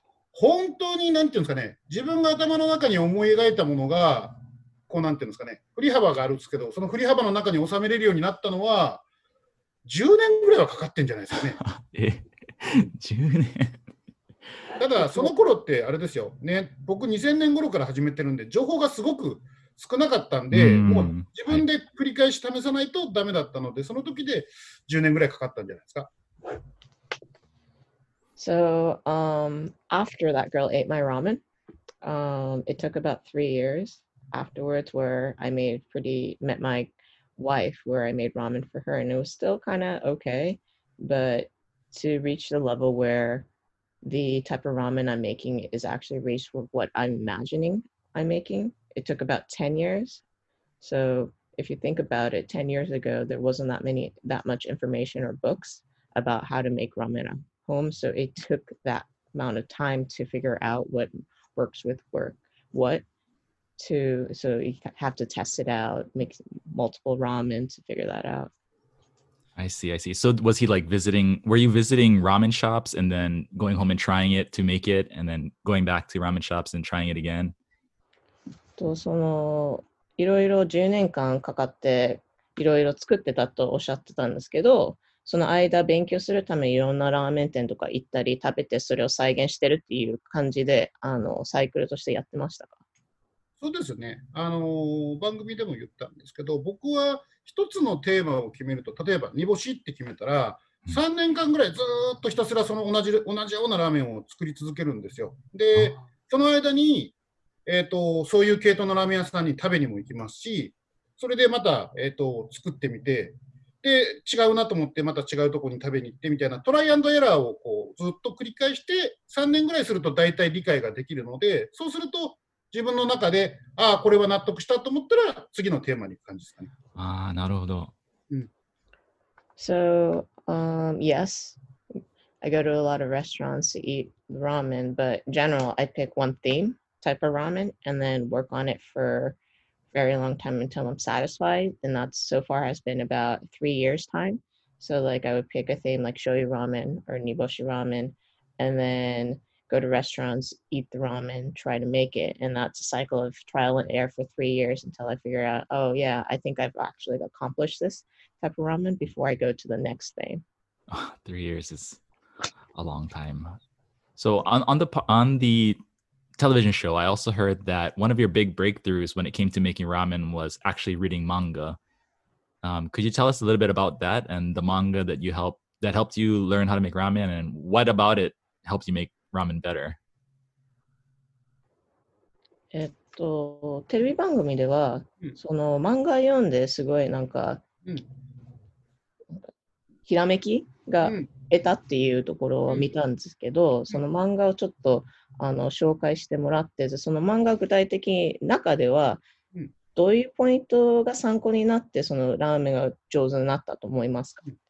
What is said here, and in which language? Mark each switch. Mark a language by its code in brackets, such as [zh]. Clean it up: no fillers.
[ja] 本当に何て言うんですかね、自分が頭の中に思い描いたものが、こうなんていうんですかね、振り幅があるんですけど、その振り幅の中に収めれるようになったのは10年ぐらいはかかってんじゃないですかね。 10年ただその頃ってあれですよね、僕2000年頃から始めてるんで情報がすごく少なかったんで、もう自分で繰り返し試さないとダメだったので、はい、その時で10年ぐらいかかったんじゃないですか。 [en] So after that girl ate my ramen it took about 3 years. Afterwards, where I made pretty, met my wife, where I made ramen for her, and it was still kind of okay. But to reach the level where the type of ramen I'm making is actually reached with what I'm imagining I'm making, it took about 10 years. So if you think about it, 10 years ago, there wasn't that much information or books about how to make ramen at home. So it took that amount of time to figure out what works with what. To so you have to test it out, make multiple ramen to figure that out. I see. So was he like visiting? Were you visiting ramen shops and then going home and trying it to make it, and then going back to ramen shops and trying it again? [ja] とそのいろいろ10年間かかっていろいろ作ってたとおっしゃってたんですけど、その間勉強するためいろんなラーメン店とか行ったり食べてそれを再現してるっていう感じで、あのサイクルとしてやってましたか。そうですね、番組でも言ったんですけど、僕は一つのテーマを決めると、例えば煮干しって決めたら3年間ぐらいずっとひたすらその同じようなラーメンを作り続けるんですよ。でその間に、そういう系統のラーメン屋さんに食べにも行きますし、それでまた、作ってみて、で違うなと思ってまた違うところに食べに行ってみたいな、トライアンドエラーをこうずっと繰り返して3年ぐらいするとだいたい理解ができるので、そうすると自分の中で、ああこれは納得したと思ったら次のテーマに感じですかね。ああなるほど。うん、 [en] so yes, I go to a lot of restaurants to eat ramen, but in general I pick one theme type of ramen and then work on it for very long time until I'm satisfied. And that so far has been about 3 years time. So like I would pick a theme like shoyu ramen or niboshi ramen, and then. Go to restaurants, eat the ramen, try to make it. And that's a cycle of trial and error for 3 years until I figure out, oh yeah, I think I've actually accomplished this type of ramen before I go to the next thing. 3 years is a long time. So on the television show, I also heard that one of your big breakthroughs when it came to making ramen was actually reading manga. Could you tell us a little bit about that and the manga that helped you learn how to make ramen, and what about it helped you makeramen better? [ja] テレビ番組では、その漫画読んですごいなんか、ひらめきが得たっていうところを見たんですけど、その漫画をちょっと紹介してもらって、その漫画具体的に中ではどういうポイントが参考になってそのラーメンが上手になったと思いますか。